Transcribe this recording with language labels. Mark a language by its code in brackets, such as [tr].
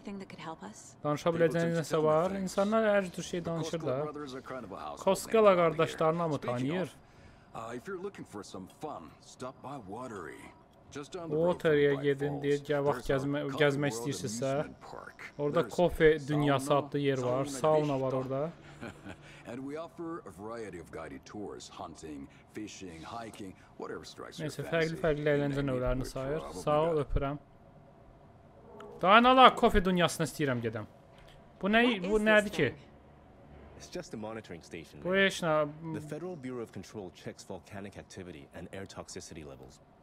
[az] Danışa biləcəyiniz nəsə var? İnsanlar hər cür şey danışır da. Koskala qardaşlarını mı tanıyır? [en] If you're looking for some fun, stop by Watery. [az] Watery-yə gedin, deyir, gəl vaxt gəzmək istəyirsinizsə. Orada Kofe Dünyası adlı yer var, sauna var orada. [en] And we offer a variety of guided tours, hunting, fishing, hiking, whatever strikes your fancy. [az] Fərqli-fərqli əyləncə növlərini sayır. Sağ ol, öpürəm. Dayanala, Kofe Dünyasına istəyirəm gedəm. Bu nədir ki? [en] It's just a monitoring station. [az] Bu eşnə... [en] The Federal Bureau of Control checks volcanic activity and air toxicity levels.